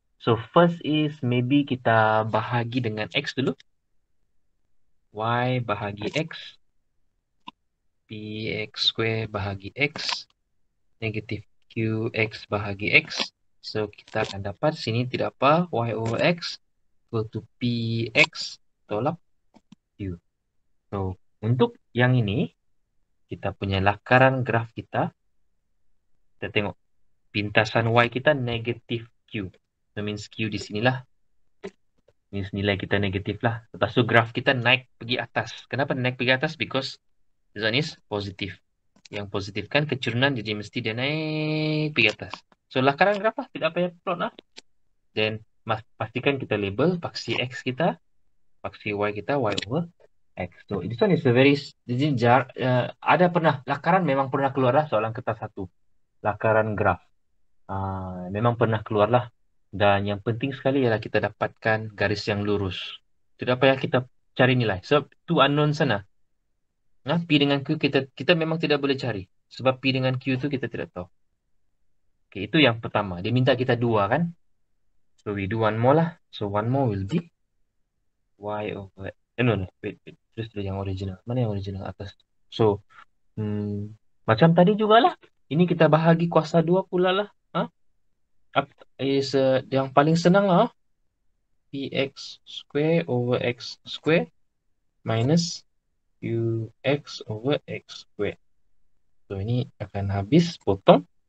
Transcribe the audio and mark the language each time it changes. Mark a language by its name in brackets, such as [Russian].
[English] So first is maybe [Malay] kita bahagi dengan X dulu. Y bahagi X. PX square bahagi X. Negatif QX bahagi X. So, kita akan dapat sini tidak apa. [English] Y over X equal to PX tolak Q. [Malay] So, untuk yang ini, kita punya lakaran graf kita. Kita tengok. Pintasan Y kita negatif Q. So, means Q di sinilah. Means nilai kita negatif lah. Lepas tu, graf kita naik pergi atas. Kenapa naik pergi atas? [English] Because result is [Malay] positif. Yang positif kan kecerunan, jadi mesti dia naik pergi atas. So, lakaran graf lah. Tidak payah plot lah. Then, pastikan kita label paksi X kita, paksi Y kita, Y over X. [English] So, this one is a very... [Malay] Jadi, ada pernah. Lakaran memang pernah keluar lah soalan kertas satu. Lakaran graf. Memang pernah keluar lah. Dan yang penting sekali ialah kita dapatkan garis yang lurus. Tidak payah kita cari nilai. [English] So, two unknown [Malay] sana. Nah, P dengan Q kita memang tidak boleh cari. Sebab P dengan Q itu kita tidak tahu. Okay, itu yang pertama. Dia minta kita dua kan? [English] So, we do one more [Malay] lah. [English] So, one more will be Y over X. No. Wait. [Malay] Terus yang original. Mana yang original atas? So, macam tadi jugalah. Ini kita bahagi kuasa dua pula lah. Yang paling senang lah. [English] PX square over X square minus QX over X squared. [Malay] So, ini akan habis potong.